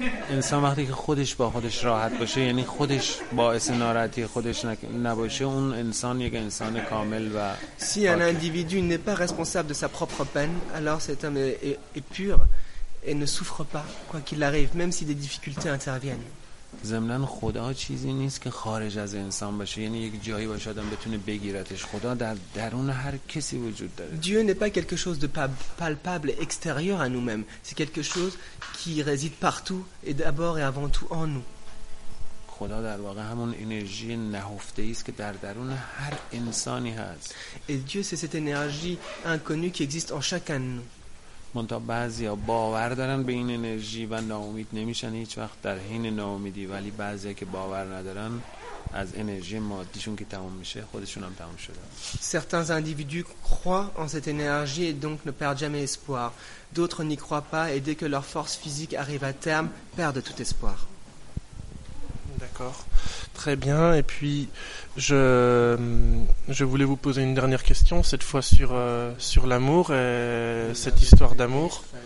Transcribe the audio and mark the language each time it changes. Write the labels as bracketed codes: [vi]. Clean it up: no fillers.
[fa] انسان وقتی که خودش با خودش راحت باشه، یعنی خودش باعث ناراحتی خودش نباشه، اون انسان یک انسان کامل و [fr] si un individu n'est pas responsable de sa propre peine, alors cet homme est pur et ne souffre pas quoi qu'il arrive, même si des difficultés interviennent. [fa] زمنان خدا چیزی نیست که خارج از انسان باشه، یعنی یک جایی باشه آدم بتونه بگیرتش. خدا در درون هر کسی وجود داره. [fr] Dieu n'est pas quelque chose de palpable extérieur à nous-mêmes, c'est quelque chose qui réside partout et d'abord et avant tout en nous. [fa] خدا در واقع همون انرژی نهفته ای است که در درون هر انسانی هست. [fr] Et Dieu c'est cette énergie inconnue qui existe en chacun de nous. [fa] منتها بعضی ها باور دارن به این انرژی و ناامید نمیشن هیچ وقت در حین ناامیدی، ولی بعضی ها که باور ندارن از انرژی مادیشون که تمام میشه، خودشون هم تمام شده. [fr] Certains individus croient en cette énergie et donc ne perdent jamais espoir. D'autres n'y croient pas et dès que leur force physique arrive à terme, perdent tout espoir. D'accord. Très bien. Et puis, je voulais vous poser une dernière question, cette fois sur l'amour et cette histoire d'amour.